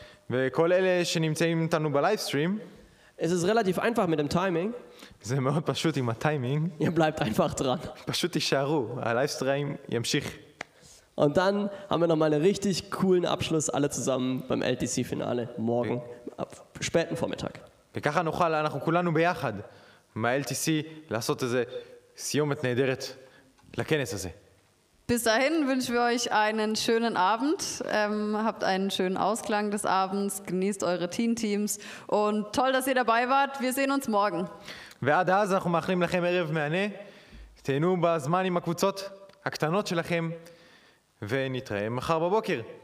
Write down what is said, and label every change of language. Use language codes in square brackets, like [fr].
[he] וכל אלה שנמצאים איתנו בלייבסטרים, [de] es ist relativ einfach mit dem Timing. [he] זה מאוד פשוט עם הטיימינג. [de] Ihr bleibt einfach dran. [he] פשוט תישארו, הלייבסטרים ימשיך. [de] Und dann haben wir nochmal einen richtig coolen Abschluss alle zusammen beim LTC-Finale morgen, ab späten Vormittag. [he] וככה נוכל, אנחנו כולנו ביחד, מה-LTC לעשות איזה סיומת נהדרת לכנס הזה. [de] Bis dahin wünschen wir euch einen schönen Abend. Habt einen schönen Ausklang des Abends. Genießt eure Teen Teams. Und toll, dass ihr dabei wart. Wir sehen uns morgen. [he] ועד אז אנחנו מאחלים לכם ערב מענה. תהנו בזמן עם הקבוצות הקטנות שלכם. ונתראה מחר בבוקר.